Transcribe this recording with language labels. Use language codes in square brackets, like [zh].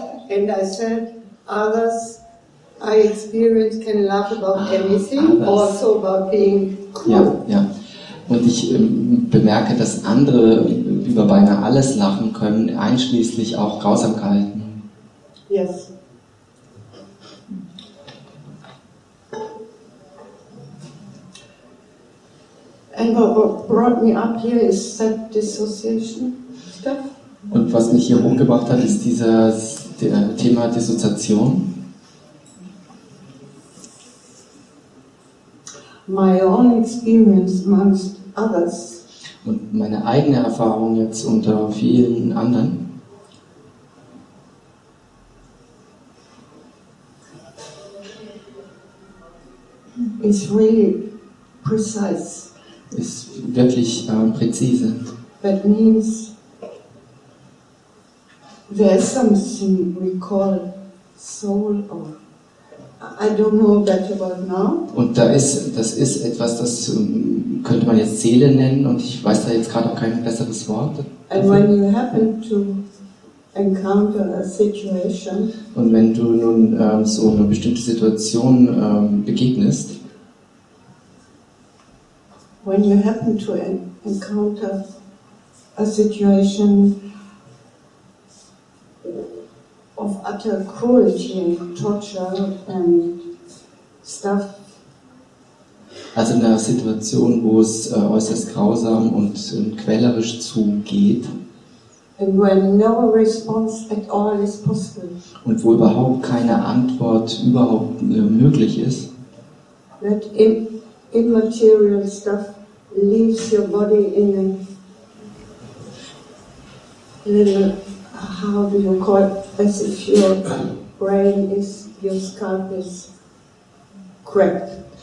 [en] And I said, others I experience can laugh about anything, also about being cruel. [de] Ja, ja. Und ich bemerke, dass andere über beinahe alles lachen können, einschließlich auch Grausamkeiten. [en] Yes. And what brought me up here is that dissociation stuff. [de] Und was mich hier hochgebracht hat, ist dieses Thema Dissoziation. [en] My own experience amongst others. [de] und meine eigene Erfahrung jetzt unter vielen anderen. [en] It's really precise. [de] Ist wirklich präzise. [en] That means there is something we call soul or I don't know that about now. [de] Und das ist etwas, das könnte man jetzt Seele nennen, und ich weiß da jetzt gerade auch kein besseres Wort. [en] And when you happen to encounter a situation. [de] Und wenn du nun so eine bestimmte Situation begegnest. [en] When you happen to encounter a situation of utter cruelty and torture and stuff. [de] Also in einer Situation, wo es äußerst grausam und quälerisch zugeht. [en] And when no response at all is possible. [de] Und wo überhaupt keine Antwort überhaupt möglich ist. [en] That immaterial stuff leaves your body in a little, how do you call it, as if your brain is, your scalp is cracked.